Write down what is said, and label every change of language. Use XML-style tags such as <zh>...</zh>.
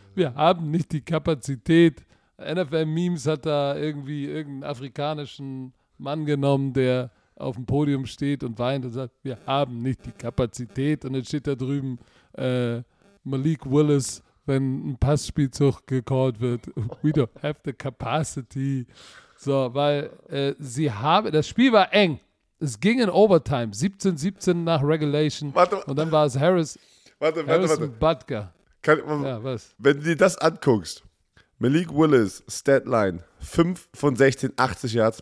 <de>Wir haben nicht die Kapazität. NFL-Memes hat da irgendwie irgendeinen afrikanischen Mann genommen, der auf dem Podium steht und weint und sagt, wir haben nicht die Kapazität. Und dann steht da drüben Malik Willis, wenn ein Passspielzug gecallt wird.</de> <en>We don't have the capacity.</en> <de>So, weil das Spiel war eng. Es ging in Overtime, 17-17 nach Regulation. Warte, und dann war es Harrison Butker. Wenn du dir das anguckst, Malik Willis, Statline, 5 von 16, 80 Yards.</de>